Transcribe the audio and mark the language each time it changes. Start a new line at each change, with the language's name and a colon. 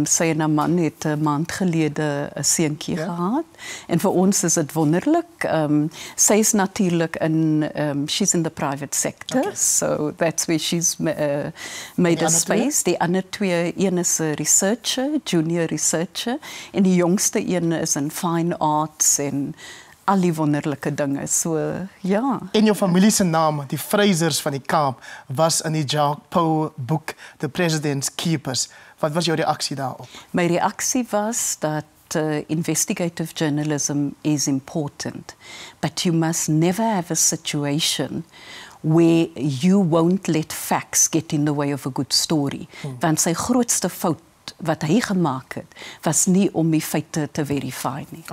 Afrikaans: Sy en haar man het 'n maand gelede 'n seentjie gehad. En vir ons is dit wonderlik. Sy is natuurlik in
English: she's in the private sector. Okay. So that's where she's made a space.
Afrikaans: Die ander twee, een is 'n researcher, junior researcher, en die jongste een is in fine arts en al die wonderlike dinge. So ja. En jou familie se naam, die Fraser's van die Kaap, was in die Jacques Pauw boek The President's Keepers. Wat was jou reaksie daarop? My reaksie was dat
English: investigative journalism is important, but you must never have a situation where you won't let facts get in the way of a good story.
Afrikaans: Want sy grootste fout wat hy gemaak het, was nie om die feite te verify nie.